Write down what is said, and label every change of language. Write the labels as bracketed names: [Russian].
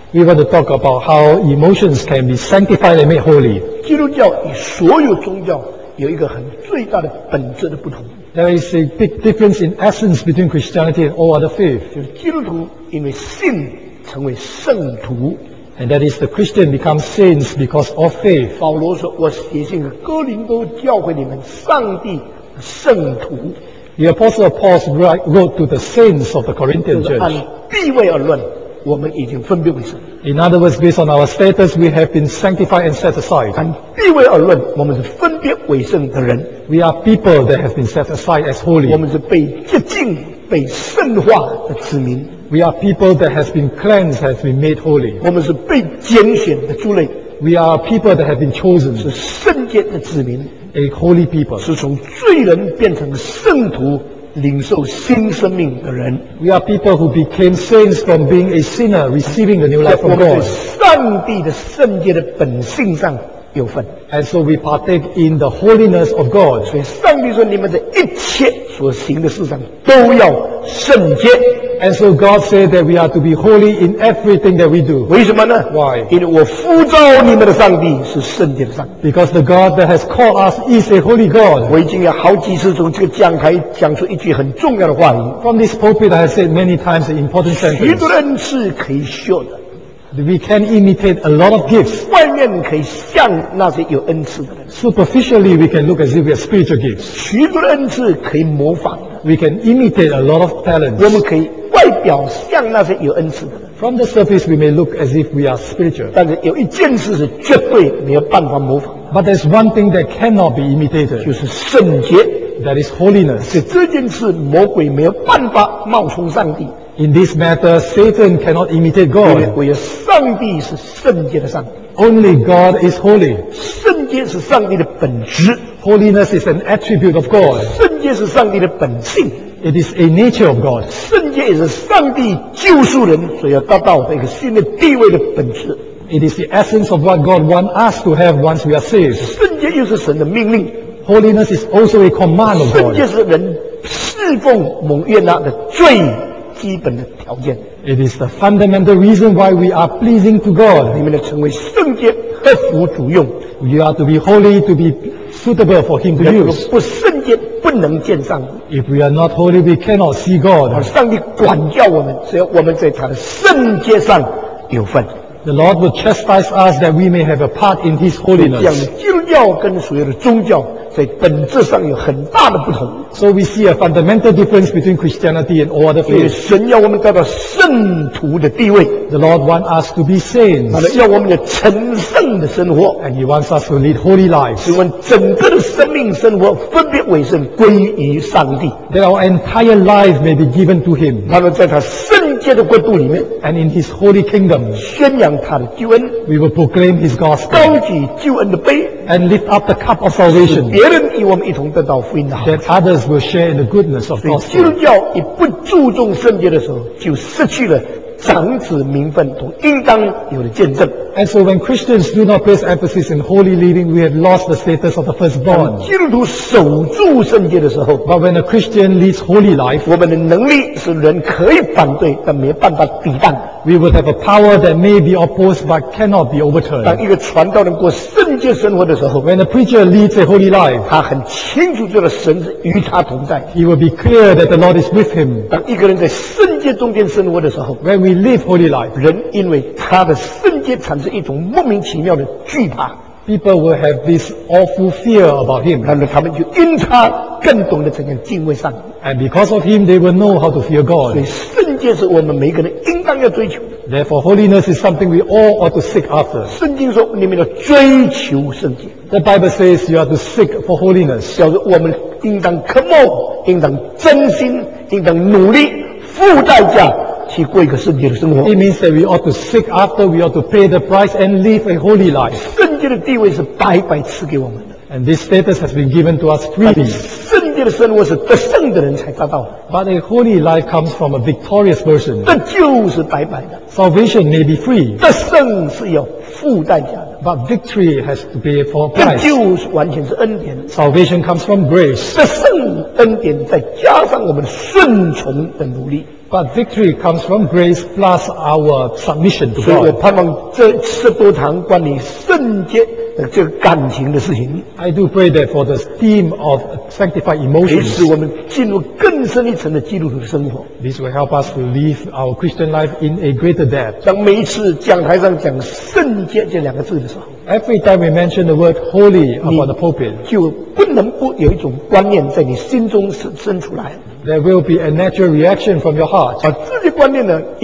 [English] We want to talk about how emotions can be sanctified and made holy. [Chinese] 基督教与所有宗教有一个很最大的本质的不同。 [English] There is a big difference in essence between Christianity and all other faiths. [Chinese] 就是基督徒因为信成为圣徒。 [English] And that is the Christian becomes saints because of faith. [Chinese] 保罗说，我写信给哥林多教会里面上帝的圣徒。 [English] The Apostle Paul wrote to the saints of the Corinthian church. [Chinese] 按地位而论，我们已经分别为圣。 [English] In other words, based on our status, we have been sanctified and set aside. [Chinese] 按地位而论，我们是分别为圣的人。 [English] We are people that have been set aside as holy. [Chinese] 我们是被洁净、被圣化的子民。 [English] We are people that have been cleansed, have been made holy. [Chinese] 我们是被拣选的族类。 [English] We are people that have been chosen. [Chinese] 是圣洁的子民。 [English] A holy people. [Chinese] 是从罪人变成圣徒领受新生命的人。 [English] We are people who became saints from being a sinner, receiving the new life from God. [Chinese] 我们在上帝的圣洁的本性上有份。 [English] And so we partake in the holiness of God. [Chinese] 所以上帝说你们的一切所行的事上都要圣洁。 [English] And so God said that we are to be holy in everything that we do. [Chinese] 为什么呢？ [English] Why? [Chinese] 因为我呼召你们的上帝是圣洁的上帝。 [English] Because the God that has called us is a holy God. [Chinese] 我已经有好几次从这个讲台讲出一句很重要的话语。 [English] From this pulpit, I have said many times an important sentence. [Chinese] 许多恩赐可以学的。 [English] We can imitate a lot of gifts. [Chinese] 外面可以像那些有恩赐的人。 [English] Superficially, we can look as if we are spiritual gifts. [Chinese] 许多恩赐可以模仿的。 [English] We can imitate a lot of talents. [Chinese] 我们可以外表像那些有恩赐的人。 [English] From the surface, we may look as if we are spiritual. [Chinese] 但是有一件事是绝对没有办法模仿。 [English] But there's one thing that cannot be imitated. [Chinese] 就是圣洁。 [English] That is holiness. [Chinese] 是这件事魔鬼没有办法冒充上帝。 [English] In this matter, Satan cannot imitate God. [Chinese] 因为上帝是圣洁的上帝。 [English] Only God is holy. [Chinese] 圣洁是上帝的本质。 [English] Holiness is an attribute of God. [Chinese] 圣洁是上帝的本性。 [English] It is a nature of God. [Chinese] 圣洁也是上帝救赎人所要达到的一个新的地位的本质。 [English] It is the essence of what God wants us to have once we are saved. [Chinese] 圣洁又是神的命令。 [English] Holiness is also a command of God. [Chinese] 圣洁是人侍奉蒙悦纳的最基本的条件。 [English] It is the fundamental reason why we are pleasing to God. [Chinese] 你们要成为圣洁，合乎主用。 [English] You are to be holy, to be suitable for Him to use. [Chinese] 人不圣洁，不能见上帝。 [English] If we are not holy, we cannot see God. [Chinese] 而上帝管教我们，只要我们在他的圣洁上有份。 [English] The Lord will chastise us that we may have a part in His holiness. [Chinese] 这样的基督教跟所有的宗教在本质上有很大的不同。 [English] So we see a fundamental difference between Christianity and all other faiths. [Chinese] 神要我们达到圣徒的地位。 [English] The Lord wants us to be saints. [Chinese] 他要我们有成圣的生活。 [English] And He wants us to lead holy lives. [Chinese] 使我们整个的生命生活分别为圣，归于上帝。 [English] That our entire life may be given to Him. [Chinese] 他们在他圣洁的国度里面。 [English] And in His holy kingdom. [Chinese] 宣扬他的救恩。 [English] We will proclaim His gospel. [Chinese] 高举救恩的杯。 [English] And lift up the cup of salvation. [Chinese] 别人与我们一同得到福音的好。 [English] That others will share in the goodness of gospel. [Chinese] 基督教一不注重圣洁的时候，就失去了长子名分同应当有的见证。 [English] And so when Christians do not place emphasis in holy living, we have lost the status of the firstborn. [Chinese] 基督徒守住圣洁的时候 [English] ，But when a Christian leads holy life, [Chinese] 我们的能力是人可以反对，但没办法抵挡。 [English] We would have a power that may be opposed but cannot be overturned. [Chinese] 当一个传道人过圣洁生活的时候 [English] ，When a preacher leads a holy life, [Chinese] 他很清楚知道神是与他同在。 [English] He will be clear that the Lord is with him. [Chinese] 当一个人在圣洁中间生活的时候 [English] ，When we live holy life, [Chinese] 人因为他的圣洁产生一种莫名其妙的惧怕。 [English] People will have this awful fear about him. [Chinese] 然后他们就因他更懂得怎样敬畏上帝。 [English] And because of him, they will know how to fear God. [Chinese] 所以圣洁是我们每个人应当要追求的。 [English] Therefore, holiness is something we all ought to seek after. [Chinese] 圣经说你们要追求圣洁。 [English] The Bible says you are to seek for holiness. [Chinese] 叫做我们应当渴慕，应当真心，应当努力，付代价。去过一个圣洁的生活。 [English] It means that we ought to seek after, we ought to pay the price and live a holy life. [Chinese] 圣洁的地位是白白赐给我们的。 [English] And this status has been given to us freely. [Chinese] 圣洁得胜的人才知道, [English] but a holy life comes from a victorious version. [Chinese] 得救是白白的, [English] salvation may be free. [Chinese] 得胜是有付代价的, [English] but victory has to be for price. [Chinese] 得救完全是恩典, [English] salvation comes from grace. [Chinese] 得胜恩典再加上我们顺从的努力, [English] but victory comes from grace plus our submission to God. [Chinese] 所以我盼望这十多堂关于圣洁 这个感情的事情, [English] I do pray that for the theme of sanctified emotions, this will help us to live our Christian life in a greater depth. Every time we mention the word holy upon the pulpit, there will be a natural reaction from your heart.